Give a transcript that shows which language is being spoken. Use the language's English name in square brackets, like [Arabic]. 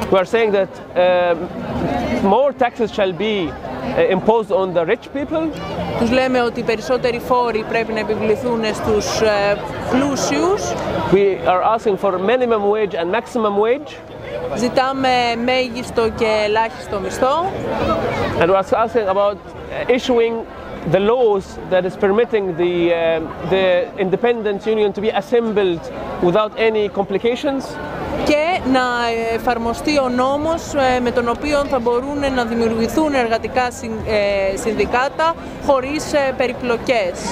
[English] We are saying that more taxes shall be imposed on the rich people. [Greek] Τους λέμε ότι περισσότεροι φόροι πρέπει να επιβληθούν στους πλούσιους. [English] We are asking for minimum wage and maximum wage. [Greek] Ζητάμε μέγιστο και ελάχιστο μισθό. [English] And we are asking about issuing the laws that is permitting the independent union to be assembled without any complications. [Greek] Και να εφαρμοστεί ο νόμος με τον οποίο θα μπορούν να δημιουργηθούν εργατικά συνδικάτα χωρίς περιπλοκές.